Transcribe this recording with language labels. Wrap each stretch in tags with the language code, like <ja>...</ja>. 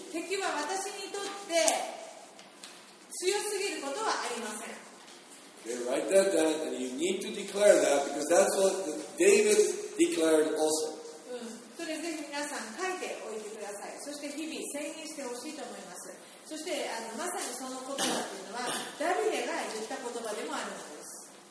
<ja>敵は私にとって強すぎることはありません。</ja> <en>Okay, write that down, and you need to declare that because that's what David declared also.</en> <ja>それぜひ皆さん書いておいてください。そして日々宣言してほしいと思います。そしてまさにその言葉というのはダビデが言った言葉でもあるんです。</ja>